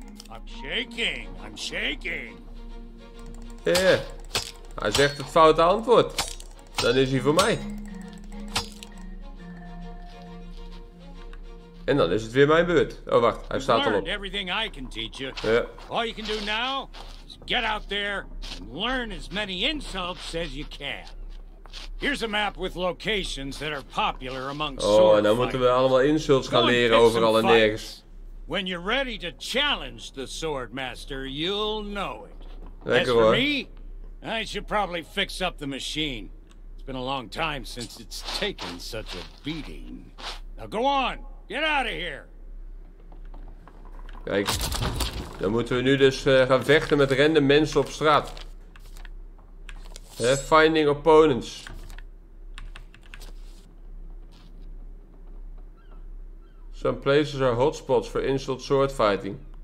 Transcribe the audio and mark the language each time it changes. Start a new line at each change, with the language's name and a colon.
English: I'm shaking, I'm shaking. Yeah.
Dutch: Hij zegt het foute antwoord. Dan is hij voor mij. En dan is het weer mijn beurt. Oh wacht, hij staat al op.
English: Everything I can teach you.
Dutch: Ja.
English: All you can do now is get out there and learn as many insults as you can. Here's a map with locations that are popular among sword fighters. Oh,
Dutch: en dan moeten we allemaal insults gaan leren overal en nergens.
English: When you're ready to challenge the sword master, you'll know it.
Dutch: Lekker hoor.
English: I should probably fix up the machine. It's been a long time since it's taken such a beating. Now go on, get out of here.
Dutch: Kijk, dan moeten we nu dus gaan vechten met random mensen op straat.
English: Finding opponents. Some places are hotspots for insult sword fighting.